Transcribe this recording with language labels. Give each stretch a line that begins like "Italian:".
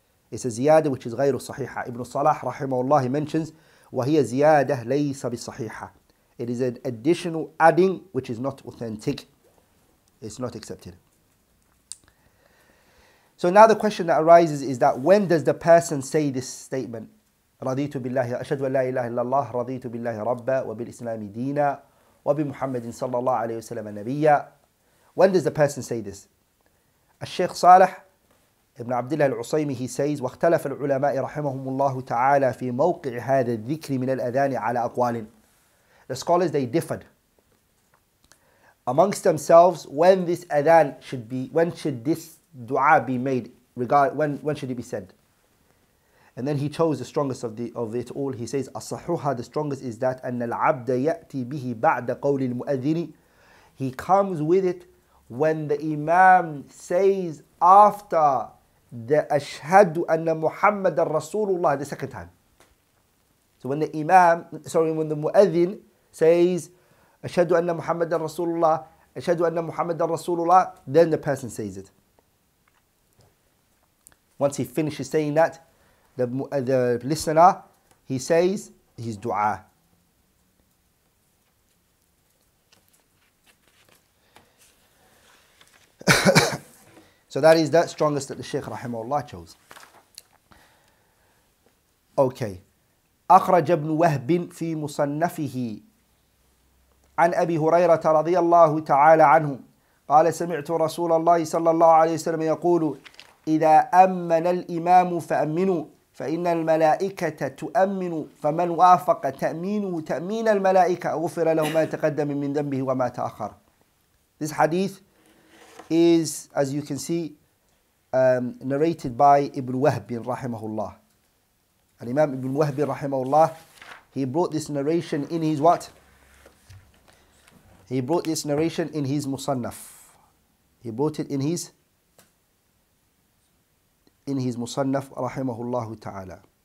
English: It's a ziyada which is
Arabic: غير صحيحة.
English: Ibn Salah rahimahullah mentions,
Arabic: وهي زيادة ليس بالصحيحة.
English: It is an additional adding which is not authentic. It's not accepted. So now the question that arises is that when does the person say this statement?
Arabic: رضيت بالله أشهد أن لا إله إلا الله رضيت بالله ربا وبالإسلام دينا وبمحمد صلى الله عليه وسلم نبيا.
English: When does the person say this? Al-Shaykh Salih, Ibn Abdullah al-Usaymi, he says,
Arabic: وَاخْتَلَفَ الْعُلَمَاءِ رَحِمَهُمُ اللَّهُ تَعَالَى فِي مَوْقِعِ هَذَا الذِّكْرِ مِنَ الْأَذَانِ عَلَىٰ أَقْوَالٍ.
English: The scholars, they differed amongst themselves when this adhan should be, when should this dua be made, when should it be said. And then he chose the strongest of it all. He says,
Arabic: الصحوحة,
English: the strongest is that
Arabic: أن العبد يأتي به بعد قول المؤذن.
English: He comes with it when the Imam says after the
Arabic: أشهد أن محمد رسول الله
English: the second time. So when when the
Arabic: مؤذن
English: says
Arabic: أشهد أن محمد رسول الله, أشهد أن محمد رسول الله,
English: then the person says it. Once he finishes saying that, the listener, he says his dua. So that is the strongest that the Shaykh rahimahullah chose. Okay.
Arabic: أخرج ابن وهب في مصنفه عن أبي هريرة رضي الله تعالى عنه قال سمعت رسول الله صلى الله عليه وسلم يقول إذا أمن الإمام فأمنوا فإن الملائكة تؤمن فمن وافق تأمينه تأمين الملائكة غفر له ما تقدم من ذنبه وما تأخر.
English: This hadith is, as you can see, narrated by Ibn Wahb rahimahullah. And Imam Ibn Wahb rahimahullah, he brought this narration in his what? He brought this narration in his Musannaf. He brought it in his Musannaf, rahimahullah ta'ala.